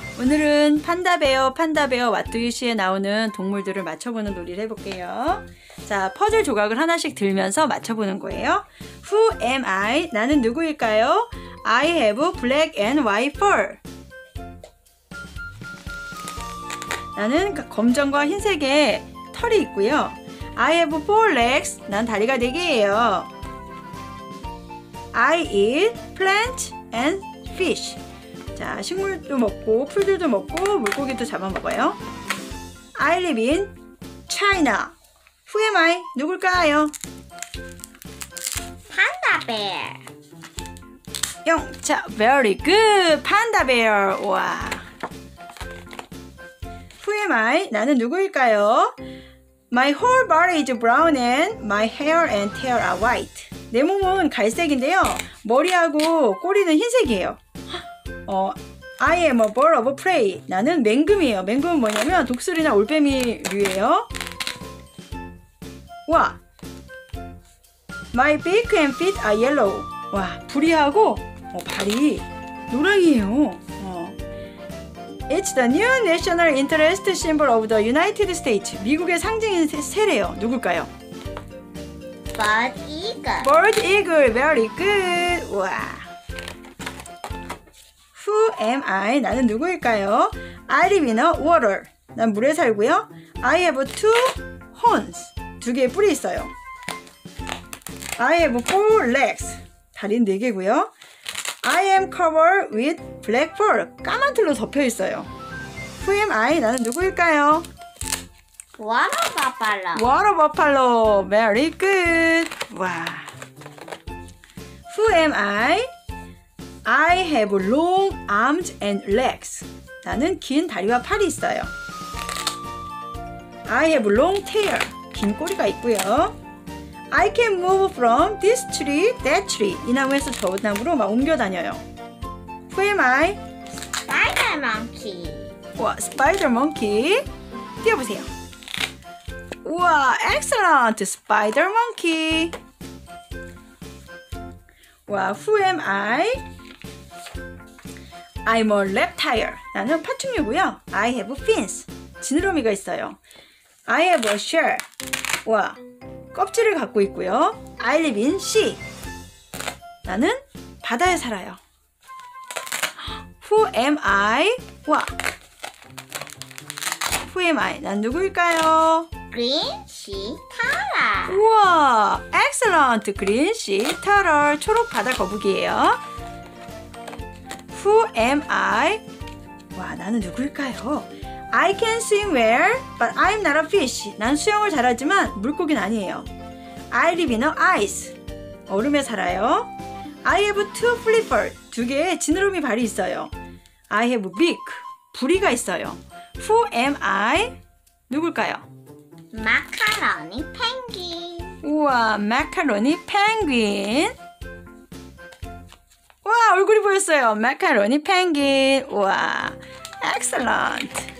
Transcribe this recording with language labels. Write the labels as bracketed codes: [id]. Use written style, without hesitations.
[ko] 오늘은 판다베어, 판다베어, [en] What do you see [ko] 에 나오는 동물들을 맞춰보는 놀이를 해볼게요. 자, 퍼즐 조각을 하나씩 들면서 맞춰보는 거예요. [en] Who am I? [ko] 나는 누구일까요? [en] I have black and white fur. [ko] 나는 검정과 흰색의 털이 있고요. [en] I have four legs. [ko] 난 다리가 네 개예요. [en] I eat plants and fish. [ko] 자, 식물도 먹고 풀들도 먹고 물고기도 잡아먹어요. [en] I live in China. Who am I? [ko] 누굴까요? [en] Panda bear. [ko] 영, 자, [en] very good. Panda bear. [ko] 와. [en] Who am I? [ko] 나는 누구일까요? [en] My whole body is brown and my hair and tail are white. [ko] 내 몸은 갈색인데요. 머리하고 꼬리는 흰색이에요. [en] I am a bird of prey. [ko] 나는 맹금이에요. 맹금은 뭐냐면 독수리나 올빼미류예요. 와. [en] My beak and feet are yellow. [ko] 와, 부리하고 발이 노랑이에요. [en] It's the new national interest symbol of the United States. [ko] 미국의 상징인 새래요. 누굴까요? [en] Bird eagle. Bird eagle. Very good. [ko] 와. [en] Who am I? [ko] 나는 누구일까요? [en] I live in a water. [ko] 난 물에 살고요. [en] I have two horns. [ko] 두 개의 뿔이 있어요. [en] I have four legs. [ko] 다리는 네 개고요. [en] I am covered with black fur. [ko] 까만 털로 덮여 있어요. [en] Who am I? [ko] 나는 누구일까요? [en] What a buffalo. What a buffalo. Very good. [ko] 와. [en] Who am I? I have long arms and legs. [ko] 나는 긴 다리와 팔이 있어요. [en] I have long tail. [ko] 긴 꼬리가 있고요. [en] I can move from this tree, that tree. [ko] 이 나무에서 저 나무로 막 옮겨 다녀요. [en] Who am I? Spider monkey. [ko] 와, spider monkey. 뛰어보세요. 우와, [en] excellent, [ko] spider monkey. 와, [en] who am I? I'm a reptile. [ko] 나는 파충류고요. [en] I have fins. [ko] 지느러미가 있어요. [en] I have a shell. [ko] 와. 껍질을 갖고 있고요. [en] I live in sea. [ko] 나는 바다에 살아요. [en] Who am I? [ko] 와. [en] Who am I? [ko] 난 누구일까요? [en] Green sea turtle. [ko] 우와. [en] Excellent. Green sea turtle. [ko] 초록 바다 거북이에요. [en] Who am I? [ko] 와, 나는 누구일까요? [en] I can swim well, but I'm not a fish. [ko] 난 수영을 잘하지만 물고기는 아니에요. [en] I live in a ice. [ko] 얼음에 살아요. [en] I have two flippers. [ko] 두 개의 지느러미 발이 있어요. [en] I have beak. [ko] 부리가 있어요. [en] Who am I? [ko] 누굴까요? [en] Macaroni penguin. [ko] 우와, [en] macaroni penguin. [ko] 와, 얼굴이 보였어요. Macaroni penguin. 우와, [en] excellent.